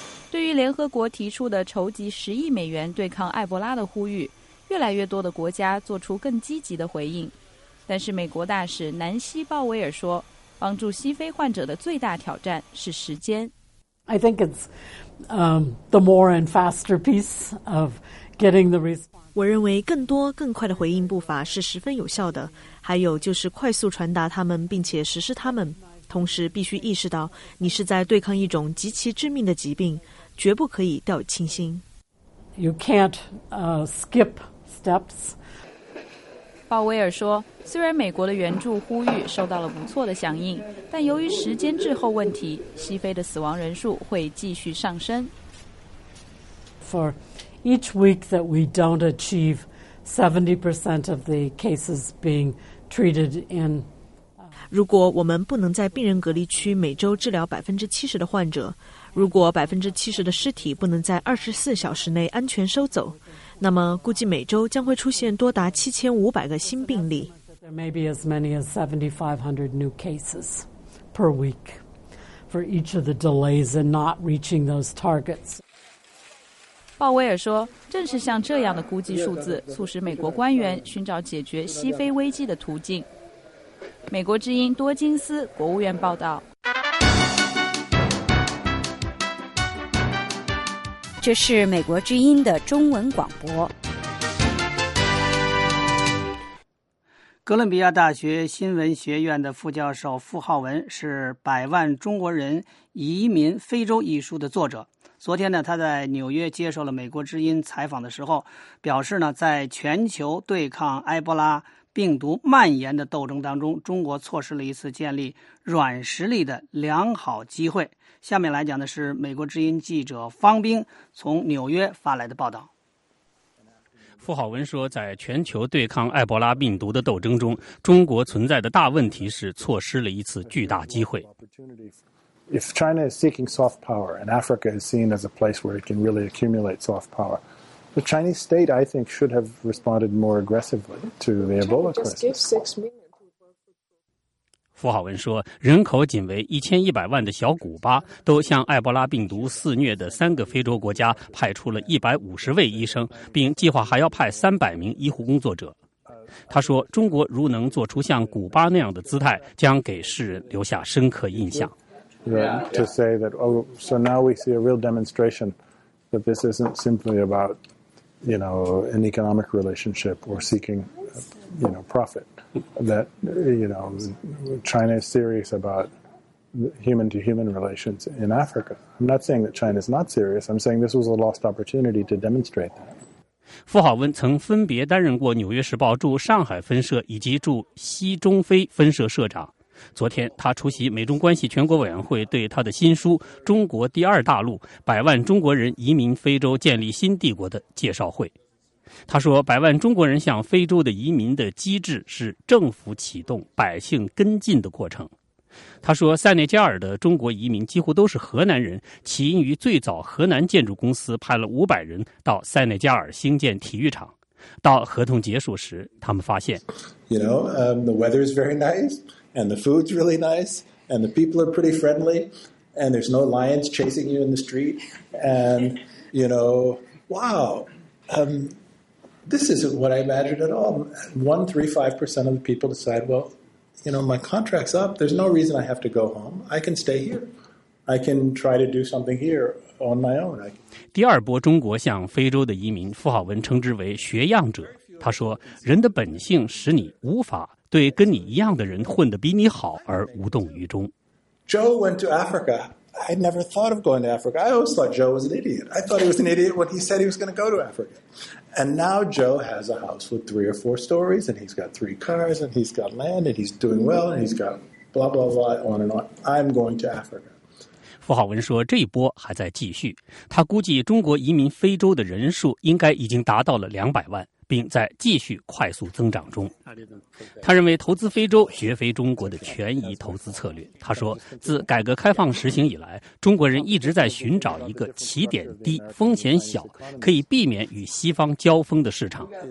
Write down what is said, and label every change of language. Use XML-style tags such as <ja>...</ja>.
<zh>对于联合国提出的筹集10亿美元对抗埃博拉的呼吁，越来越多的国家做出更积极的回应，但是美国大使南希·鲍威尔说，帮助西非患者的最大挑战是时间。</zh> <en>I think it's the more and faster piece of getting the response.</en> <zh>我认为更多更快的回应步伐是十分有效的，还有就是快速传达他们并且实施他们，同时必须意识到你是在对抗一种极其致命的疾病，绝不可以掉以轻心。</zh> <en>You can't skip steps.</en> <zh>鲍威尔说，虽然美国的援助呼吁受到了不错的响应，但由于时间滞后问题，西非的死亡人数会继续上升。</zh> <en>For each week that we don't achieve 70% of the cases being treated in,</en> <zh>如果我们不能在病人隔离区每周治疗70%的患者，如果70%的尸体不能在24小时内安全收走，那么估计每周将会出现多达7500个新病例。</zh> <en>There may be as many as 7,500 new cases per week for each of the delays in not reaching those targets.</en> <zh>鲍威尔说，正是像这样的估计数字促使美国官员寻找解决西非危机的途径。美国之音多金斯国务院报道。这是美国之音的中文广播。哥伦比亚大学新闻学院的副教授傅浩文是《百万中国人移民非洲》一书的作者。昨天呢，他在纽约接受了美国之音采访的时候表示呢，在全球对抗埃博拉病毒蔓延的斗争当中，中国错失了一次建立软实力的良好机会。下面来讲的是美国之音记者方冰从纽约发来的报道。傅浩文说，在全球对抗埃博拉病毒的斗争中，中国存在的大问题是错失了一次巨大机会。</zh> <en>If China is seeking soft power and Africa is seen as a place where it can really accumulate soft power, the Chinese state, I think, should have responded more aggressively to the Ebola crisis.</en> <zh>傅浩文说，人口仅为1100万的小古巴，都向埃博拉病毒肆虐的三个非洲国家派出了150位医生，并计划还要派300名医护工作者。他说，中国如能做出像古巴那样的姿态，将给世人留下深刻印象。</zh> <en>To say that, oh, so now we see a real demonstration that this isn't simply about, you know, an economic relationship or seeking, you know, profit. That, you know, China is serious about human-to-human relations in Africa. I'm not saying that China is not serious. I'm saying this was a lost opportunity to demonstrate that.</en> <zh>傅浩文曾分别担任过《纽约时报》驻上海分社以及驻西中非分社社长。昨天他出席美中关系全国委员会对他的新书《中国第二大陆：百万中国人移民非洲建立新帝国》的介绍会。他说，百万中国人向非洲的移民的机制是政府启动、百姓跟进的过程。他说，塞内加尔的中国移民几乎都是河南人，起因于最早河南建筑公司派了500人到塞内加尔兴建体育场，到合同结束时他们发现</zh> <en>You know, the weather is very niceAnd the food's really nice, and the people are pretty friendly, and there's no lions chasing you in the street, and, you know, wow, this isn't what I imagined at all. 1-3-5% of the people decide, well, you know, my contract's up, there's no reason I have to go home, I can stay here, I can try to do something here on my own.</en> <zh>第二波中国向非洲的移民，傅浩文称之为学样者。他说，人的本性使你无法对跟你一样的人混得比你好而无动于衷。</zh> <en>Joe went to Africa. I never thought of going to Africa. I always thought Joe was an idiot. I thought he was an idiot when he said he was going to go to Africa. And now Joe has a house with 3 or 4 stories, and he's got 3 cars, and he's got land, and he's doing well, and he's got blah, blah, blah, on and on. I'm going to Africa.</en> <zh>傅浩文说，这一波还在继续。他估计中国移民非洲的人数应该已经达到了200万。并在继续快速增长中。他认为投资非洲绝非中国的权宜投资策略。他说，自改革开放实行以来，中国人一直在寻找一个起点低、风险小、可以避免与西方交锋的市场。</zh>